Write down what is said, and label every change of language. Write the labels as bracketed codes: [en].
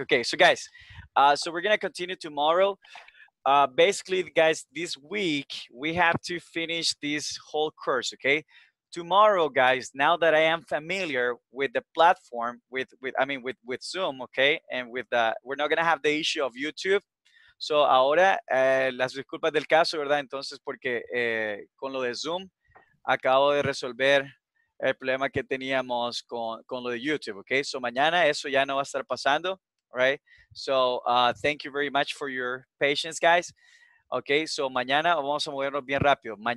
[en] Okay, so guys, so we're gonna continue tomorrow. Basically, guys, this week we have to finish this whole course. Okay, tomorrow, guys, now that I am familiar with the platform with Zoom, okay, and with that, we're not gonna have the issue of YouTube. [es] So ahora, las disculpas del caso, ¿verdad? Entonces, porque con lo de Zoom, acabo de resolver el problema que teníamos con lo de YouTube, okay? So mañana eso ya no va a estar pasando, right? [en] So thank you very much for your patience, guys. [es] Okay, so mañana vamos a movernos bien rápido.